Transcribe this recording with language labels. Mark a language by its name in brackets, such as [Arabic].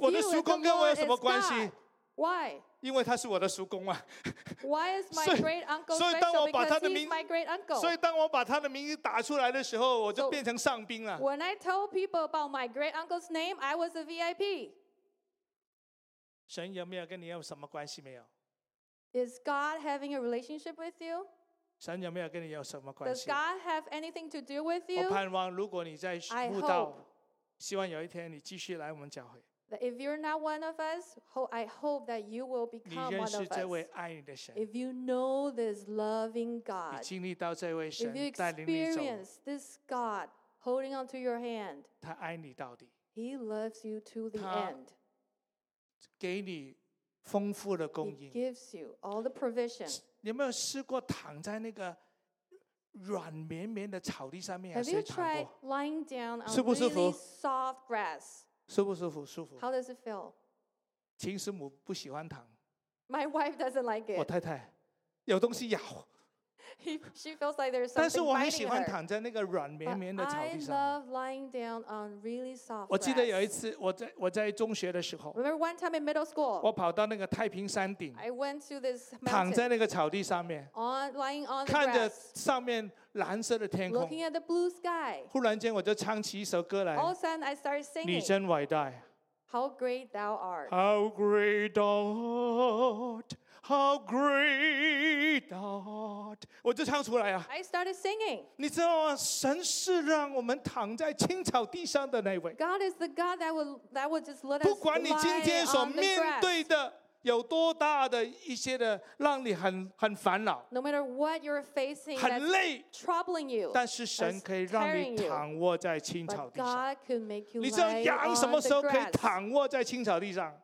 [Chinese] 我的叔公跟我有什么关系 [English] ？Why? [Chinese] 因为他是我的叔公啊。 [English] Why is my great uncle special? Because he's my great uncle. [Chinese] 所以当我把他的名字打出来的时候，我就变成上宾了。 [English] When I told people about my great uncle's name, I was a VIP. [Chinese] 神有没有跟你有什么关系没有 [English] ？Is God having a relationship with you? [Chinese] 神有没有跟你有什么关系 [English] Does God have anything to do with you? [Chinese] 我盼望如果你在慕道希望有一天你继续来我们教会 [English] If you're not one of us I hope that you will become one of us [Chinese] 你认识这位爱你的神 [English] If you know this loving God [Chinese] 你经历到这位神带领你走 [English] If you experience this God holding onto your hand [Chinese] 他爱你到底 [English] He loves you to the end [Chinese] 他给你丰富的供应 [English] He gives you all the provision [Chinese] 有没有试过躺在那个软绵绵的草地上面？ [English] Have you tried lying down on [Chinese] 舒不舒服 [English] really soft grass? [Chinese] 舒不舒服？舒服。 [English] How does it feel? [Chinese] 秦师母不喜欢躺。 [English] My wife doesn't like it. [Chinese] 我太太有东西咬。 [English] She feels like there's something fighting her. [Chinese] 但是我很喜欢躺在那个软绵绵的草地上。 [English] I love lying down on really soft grass. [Chinese] 我记得有一次我在中学的时候。 [English] Remember one time in middle school? [Chinese] 我跑到那个太平山顶。 [English] I went to this mountain. [Chinese] 躺在那个草地上面。 [English] Lying on the [Chinese] grass. 看着上面蓝色的天空。 [English] Looking at the blue sky. [Chinese] 忽然间我就唱起一首歌来。 [English] All of a sudden I started singing. [Chinese] 你真伟大。 [English] How great thou art. How great thou art. How great thou art. [Chinese] 我就唱出来啊。 [English] I started singing. [Chinese] 你知道吗？神是让我们躺在青草地上的那位。 [English] God is the God that will just let us lie on [Chinese] 不管你今天所面对的有多大的一些的让你很烦恼。 [English] No matter what you're facing, [Chinese] 很累 [English] troubling you. [Chinese] 但是神可以让你躺卧在青草地上。 [English] God could make you lie on the grass. [Chinese] 你知道羊什么时候可以躺卧在青草地上